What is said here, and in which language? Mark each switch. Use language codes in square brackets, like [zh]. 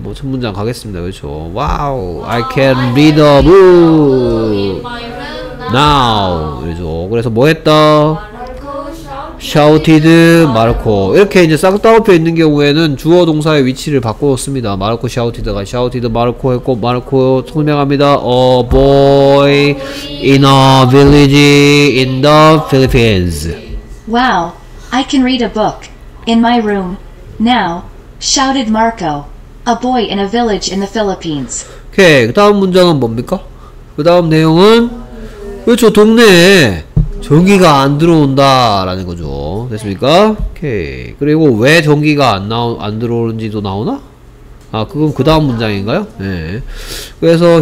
[ko] 뭐 첫 문장 가겠습니다. 그렇죠. 와우 [en] I can read a book in my room now. [ko] 그렇죠. 그래서 뭐 했다? 마르코 [en] shouted Marco. [ko] 이렇게 이제 쌍따옴표 있는 경우에는 주어 동사의 위치를 바꿔 씁니다. [en] Marco shouted가 shouted Marco [ko] 했고 [en] Marco [ko] 설명합니다. [en] A boy in a village in the Philippines. Wow, I can read a book in my room now. Shouted Marco, a boy in a village in the Philippines. [ko] 오케이, 그 다음 문장은 뭡니까? 그 다음 내용은 그렇죠, 동네에 전기가 안 들어온다 라는 거죠. 됐습니까? 오케이. 그리고 왜 전기가 안 들어오는지도 나오나? 아, 그건 그 다음 문장인가요? 네. 그래서